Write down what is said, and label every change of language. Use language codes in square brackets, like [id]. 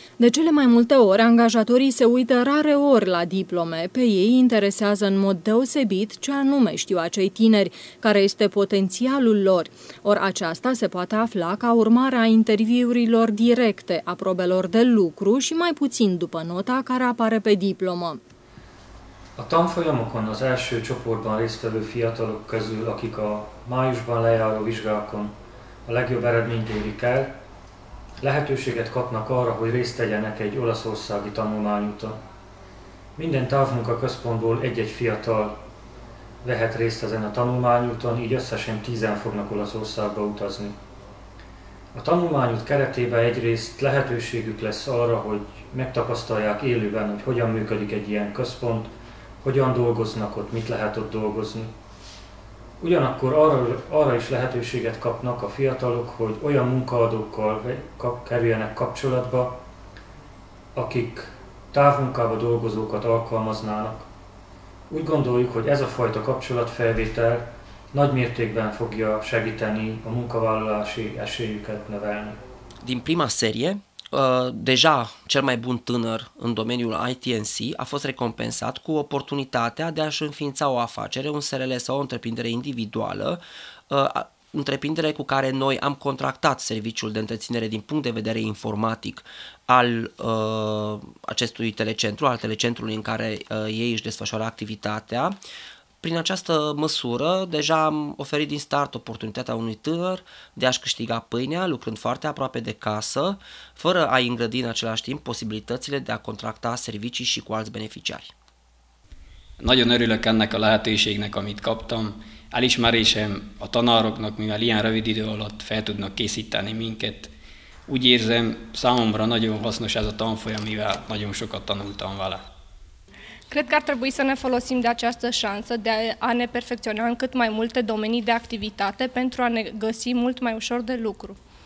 [ro] De cele mai multe ori, angajatorii se uită rare ori la diplome. Pe ei interesează în mod deosebit ce anume știu acei tineri, care este potențialul lor. Ori aceasta se poate afla ca urmare a interviurilor directe, a probelor de lucru și mai puțin după nota care apare pe diplomă. [hu] A tanfolyamokon amikor az első csoportban résztvevő fiatalok közül, akik a májusban lejáró vizsgákon a legjobb eredményt érik el, lehetőséget kapnak arra, hogy részt vegyenek egy olaszországi tanulmányúton. Minden távmunkaközpontból egy-egy fiatal vehet részt ezen a tanulmányúton, így összesen 10-en fognak Olaszországba utazni. A tanulmányút keretében egyrészt lehetőségük lesz arra, hogy megtapasztalják élőben, hogy hogyan működik egy ilyen központ, hogyan dolgoznak ott, mit lehet ott dolgozni. Ugyanakkor arra is lehetőséget kapnak a fiatalok, hogy olyan munkaadókkal kerüljenek kapcsolatba, akik távmunkába dolgozókat alkalmaznának. Úgy gondoljuk, hogy ez a fajta kapcsolatfelvétel nagy mértékben fogja segíteni a munkavállalási esélyüket növelni. [ro] Din prima serie, deja cel mai bun tânăr în domeniul ITNC a fost recompensat cu oportunitatea de a-și înființa o afacere, un SRL sau o întreprindere individuală, întreprindere cu care noi am contractat serviciul de întreținere din punct de vedere informatic al acestui telecentru, al telecentrului în care ei își desfășoară activitatea. Prin această măsură, deja am oferit din start oportunitatea unui tânăr de a-și câștiga pâinea, lucrând foarte aproape de casă, fără a îngrădi în același timp posibilitățile de a contracta servicii și cu alți beneficiari. [hu] Nagyon örülök ennek a lehetőségnek, amit kaptam. Elismerésem a tanároknak, mivel ilyen rövid idő alatt fel tudnak készíteni minket. Úgy érzem, számomra nagyon hasznos ez a tanfolyam, mivel nagyon sokat tanultam vele. [ro] Cred că ar trebui să ne folosim de această șansă de a ne perfecționa în cât mai multe domenii de activitate pentru a ne găsi mult mai ușor de lucru.